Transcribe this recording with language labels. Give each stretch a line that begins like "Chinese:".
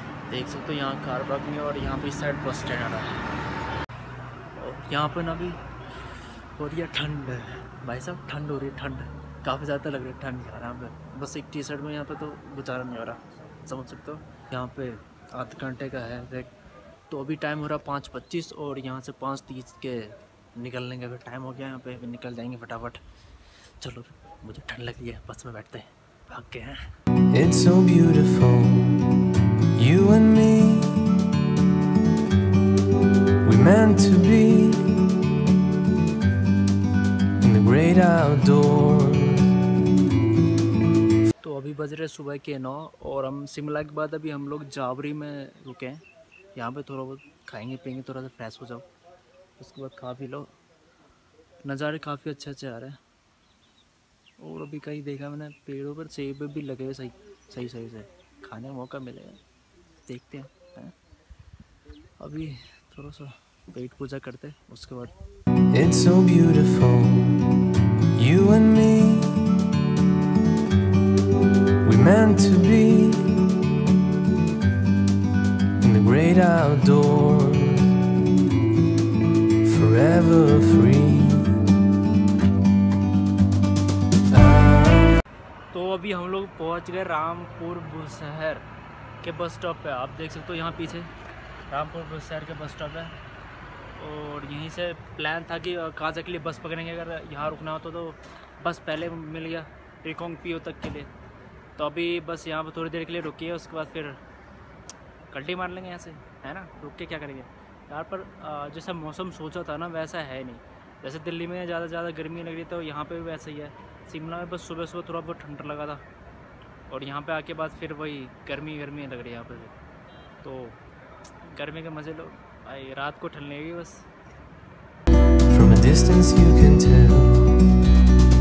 Hindi: देख सकते हो यहाँ कार पार्किंग है और यहाँ पे इस साइड बस स्टैंड आ रहा है और यहाँ पर ना भी हो रही है ठंड भाई साहब, ठंड हो रही है, ठंड काफ़ी ज़्यादा लग रही है ठंड यहाँ पर, बस एक टी शर्ट में यहाँ पे तो गुजारा नहीं हो रहा समझ सकते हो। यहाँ पे आध घंटे का है वेट, तो अभी टाइम हो रहा 5:25 और यहाँ से 5:30 के निकलने का भी टाइम हो गया, यहाँ पे निकल जाएंगे फटाफट। चलो मुझे ठंड लग रही है, बस में बैठते हैं, भाग गए हैं।
English: It's so beautiful You and me, we meant to be in the great outdoor.
Hindi: तो अभी बज रहे सुबह के 9 और हम शिमला के बाद अभी हम लोग जावरी में रुके हैं, यहाँ पे थोड़ा बहुत खाएंगे पियेंगे, थोड़ा सा फ्रेश हो जाओ, उसके बाद खा पी लो, नज़ारे काफ़ी अच्छे अच्छे आ रहे हैं। और अभी कहीं देखा मैंने पेड़ों पर सेब भी लगे हुए, सही सही सही से खाने का मौका मिलेगा, देखते हैं है? अभी थोड़ा सा पेट पूजा करते हैं उसके बाद।
English: It's so beautiful, you and me, we meant to be in the great outdoors, forever free.
Hindi: तो अभी हम लोग पहुंच गए रामपुर शहर के बस स्टॉप पे, आप देख सकते हो यहाँ पीछे रामपुर शहर के बस स्टॉप है। और यहीं से प्लान था कि कहाँ तक के लिए बस पकड़ेंगे, अगर यहाँ रुकना हो तो बस पहले मिल गया रिकोंग पीओ तक के लिए। तो अभी बस यहाँ पर थोड़ी देर के लिए रुकी है, उसके बाद फिर कल्टी मार लेंगे यहाँ से, है ना। रुक के क्या करेंगे यहाँ पर, जैसा मौसम सोचा था ना वैसा है नहीं। जैसे दिल्ली में ज़्यादा गर्मी लग रही, तो यहाँ पर भी वैसा ही है। शिमला में बस सुबह सुबह थोड़ा बहुत ठंड लगा था, और यहाँ पर आके बाद फिर वही गर्मी लग रही है यहाँ पर। तो गर्मी के मज़े लो भाई, रात को ठंड लगेगी बस।
English: From a distance you can tell.